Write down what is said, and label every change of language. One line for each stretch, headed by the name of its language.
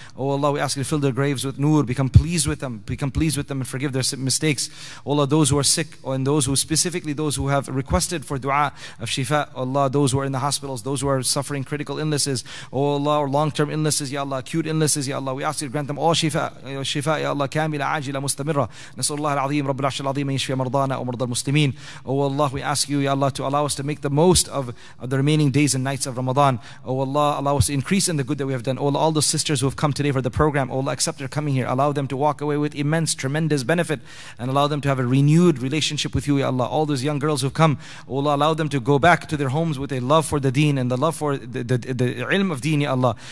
English: Oh Allah, we ask you to fill their graves with nur, become pleased with them and forgive their mistakes. Oh Allah, those who are sick, and those who specifically those who have requested for dua of shifa, oh Allah, those who are in the hospitals, those who are suffering critical illnesses, oh Allah, or long term illnesses, Ya Allah, acute illnesses, Ya Allah, we ask you to grant them all shifa, Ya Allah, kamila, ajila, mustaqim.
Arabic: نسأل الله العظيم رب العرش العظيم أن يشفي مرضانا ومرضى المسلمين.
English: Oh Allah, we ask you, Ya Allah, to allow us to make the most of the remaining days and nights of Ramadan. Oh Allah, allow us to increase in the good that we have done. Oh Allah, all those sisters who have come today for the program, Oh Allah, accept their coming here. Allow them to walk away with immense, tremendous benefit, and allow them to have a renewed relationship with you, Ya Allah. All those young girls who have come, Oh Allah, allow them to go back to their homes with a love for the deen and the love for the ilm of deen, Ya Allah.